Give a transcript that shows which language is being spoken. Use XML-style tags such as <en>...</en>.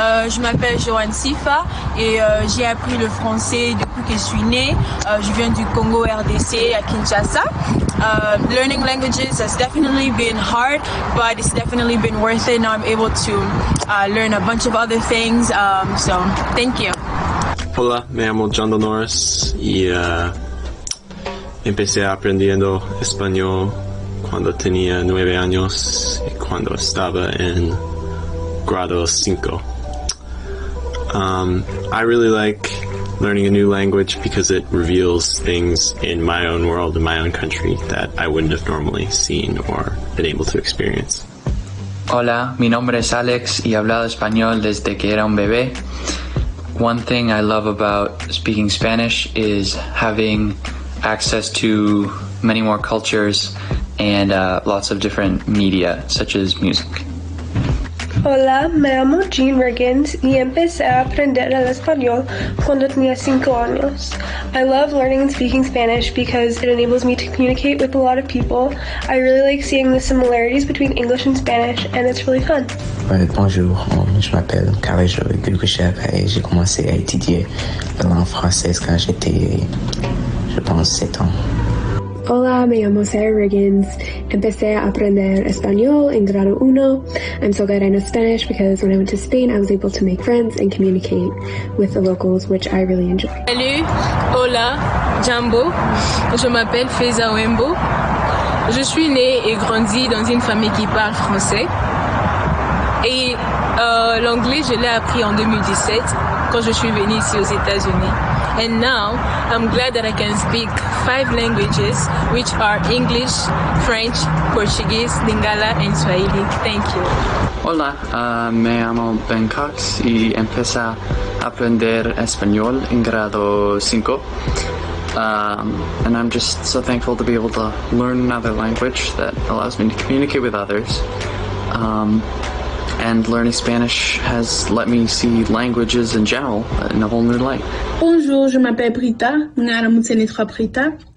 <fr>Je m'appelle Joanne Sifa et j'ai appris le français depuis que je suis née. Je viens du Congo RDC à Kinshasa.</fr> <en>Learning languages has definitely been hard, but it's definitely been worth it. Now I'm able to learn a bunch of other things. So thank you.</en> <es>Hola, me llamo John Donoris y empecé aprendiendo español cuando tenía 9 años y cuando estaba en grado 5.</es> <en>I really like learning a new language because it reveals things in my own world, in my own country, that I wouldn't have normally seen or been able to experience.</en> <es>Hola, mi nombre es Alex y he hablado español desde que era un bebé.</es> <en>One thing I love about speaking Spanish is having access to many more cultures and lots of different media, such as music.</en> <es>Hola, me llamo Jean Riggins y empecé a aprender el español cuando tenía 5 años.</es> <en>I love learning and speaking Spanish because it enables me to communicate with a lot of people. I really like seeing the similarities between English and Spanish, and it's really fun.</en> <fr>Bonjour, je m'appelle Carajo Gulkushev et j'ai commencé à étudier la langue française quand j'étais, je pense, 7 ans.</fr> <es>Hola, me llamo Sarah Riggins. Empecé a aprender español en grado 1.</es> <en>I'm so glad I know Spanish because when I went to Spain, I was able to make friends and communicate with the locals, which I really enjoy.</en> <fr>Salut, hola, jambo. Je m'appelle Feza Wembo. Je suis née et grandi dans une famille qui parle français. Et l'anglais, je l'ai appris en 2017 quand je suis venue ici aux États-Unis.</fr> <en>And now, I'm glad that I can speak 5 languages, which are English, French, Portuguese, Lingala, and Swahili. Thank you.</en> <es>Hola, me llamo Ben Cox y empecé a aprender español en grado 5.</es> <en>And I'm just so thankful to be able to learn another language that allows me to communicate with others. And learning Spanish has let me see languages in general in a whole new light.</en> <fr>Bonjour, je m'appelle Brita. Mon nom est Nitro Brita.</fr>